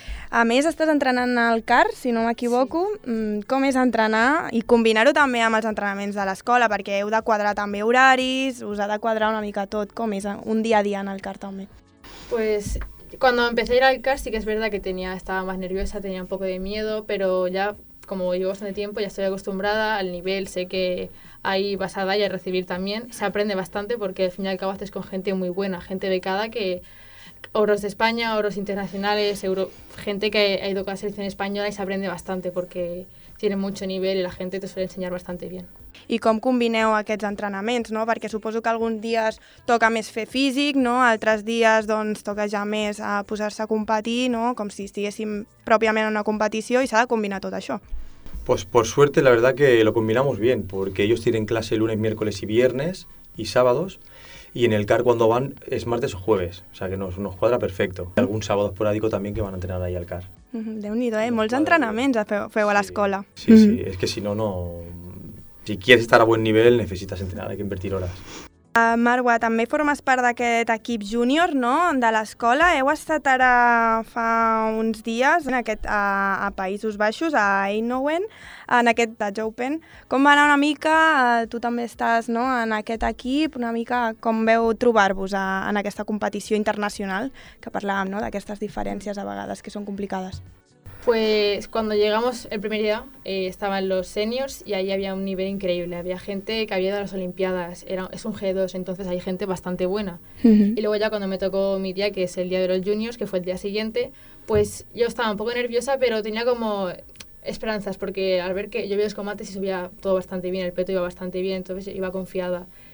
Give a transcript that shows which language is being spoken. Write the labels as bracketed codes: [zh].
[ca] A més, estàs entrenant al CAR, si no m'equivoco. Sí. Com és entrenar i combinar-ho també amb els entrenaments de l'escola? Perquè heu de quadrar també horaris, us ha de quadrar una mica tot. Com és un dia a dia en el CAR també? [es] Pues... Cuando empecé a ir al CAR sí que es verdad que estaba más nerviosa, tenía un poco de miedo, pero ya como llevo bastante tiempo ya estoy acostumbrada al nivel, sé que ahí vas a dar y a recibir también. Se aprende bastante porque al fin y al cabo haces con gente muy buena, gente becada, que oros de España, oros internacionales, gente que ha ido con la selección española y se aprende bastante porque tiene mucho nivel y la gente te suele enseñar bastante bien. [ca] I com combineu aquests entrenaments, no? Perquè suposo que alguns dies toca més fer físic, no? Altres dies doncs, toca ja més a posar-se a competir, no? Com si estiguéssim pròpiament en una competició i s'ha de combinar tot això. [es] Pues por suerte la verdad que lo combinamos bien, porque ellos tienen clase lunes, miércoles y viernes y sábados, y en el CAR cuando van es martes o jueves, o sea que nos cuadra perfecto. Y algún sábado esporádico también que van a entrenar ahí al CAR. [ca] Déu-n'hi-do, eh? Molts entrenaments feu a l'escola. [es] Sí, sí, es que si no... Si quieres estar a buen nivel, necesitas entrenar, hay que invertir horas. [ca] Marwa, també formes part d'aquest equip júnior, no?, de l'escola. Heu estat ara fa uns dies en aquest, a Països Baixos, a Eindhoven, en aquest Dutch Open. Com va anar una mica? Tu també estàs, no?, en aquest equip, una mica com veu trobar-vos en aquesta competició internacional que parlàvem, no?, d'aquestes diferències a vegades que són complicades. [es] Pues cuando llegamos el primer día estaban los seniors y ahí había un nivel increíble. Había gente que había ido a las Olimpiadas, es un G2, entonces hay gente bastante buena. Uh-huh. Y luego ya cuando me tocó mi día, que es el día de los juniors, que fue el día siguiente, pues yo estaba un poco nerviosa, pero tenía como esperanzas, porque al ver que yo vi los combates y subía todo bastante bien, el peto iba bastante bien, entonces iba confiada.